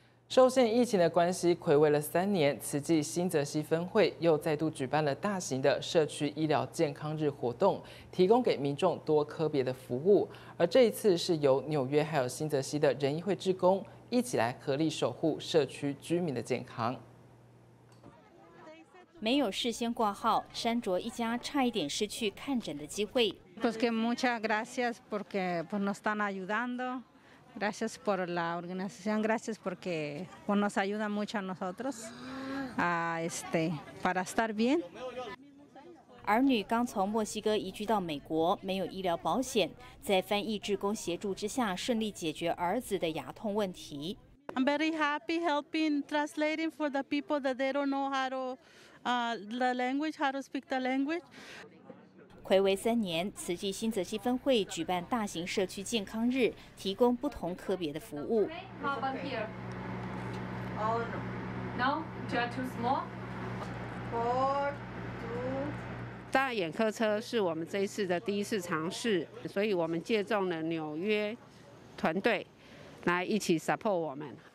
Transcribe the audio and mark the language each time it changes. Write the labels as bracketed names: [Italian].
[Chinese] 受限疫情的关系，暌违了三年，慈济新泽西分会又再度举办了大型的社区医疗健康日活动，提供给民众多科别的服务。而这一次是由纽约还有新泽西的仁义会志工一起来合力守护社区居民的健康。没有事先挂号，山卓一家差一点失去看诊的机会。 [Spanish] Pues que muchas gracias porque nos están ayudando. Gracias por la organización, gracias porque nos ayuda mucho a nosotros a para estar bien. [Chinese] 儿女刚从墨西哥移居到美国，没有医疗保险，在翻译志工协助之下，顺利解决儿子的牙痛问题。 [English] I'm very happy helping translating for the people that they don't know how to the language, how to speak the language. [Chinese] 暌违三年，慈济新泽西分会举办大型社区健康日，提供不同科别的服务。大眼科车是我们这一次的第一次尝试，所以我们借重了纽约团队来一起 support 我们。